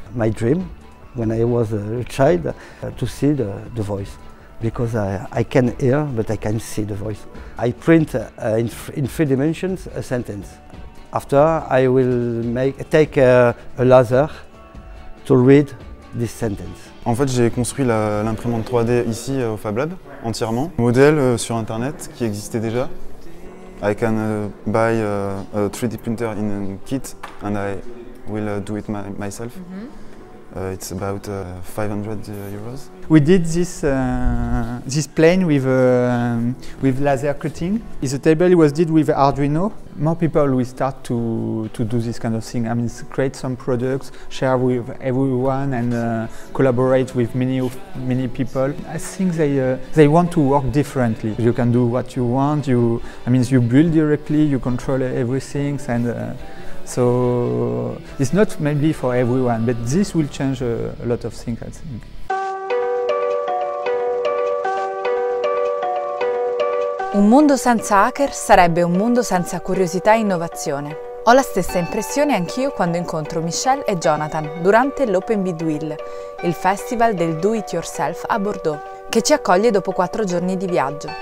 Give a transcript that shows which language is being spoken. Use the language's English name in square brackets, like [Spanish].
[English] My dream when I was a child to see the voice, because I can hear but I can see the voice. I print in three dimensions a sentence. After, I will take a laser to read this sentence. [French] En fait, j'ai construit l'imprimante 3D ici au Fablab, entièrement. Modèle sur Internet qui existait déjà. [English] I can buy a 3D printer in a kit and I will do it myself. Mm-hmm. It's about 500 euros. We did this plane with laser cutting. The table was did with Arduino. More people will start to do this kind of thing. I mean, create some products, share with everyone, and collaborate with many people. I think they want to work differently. You can do what you want. You build directly. You control everything. And so it's not maybe for everyone, but this will change a lot of things, I think. [Italian] Un mondo senza hacker sarebbe un mondo senza curiosità e innovazione. Ho la stessa impressione anch'io quando incontro Michelle e Jonathan durante l'Open Bidwill, il festival del Do It Yourself a Bordeaux, che ci accoglie dopo 4 giorni di viaggio.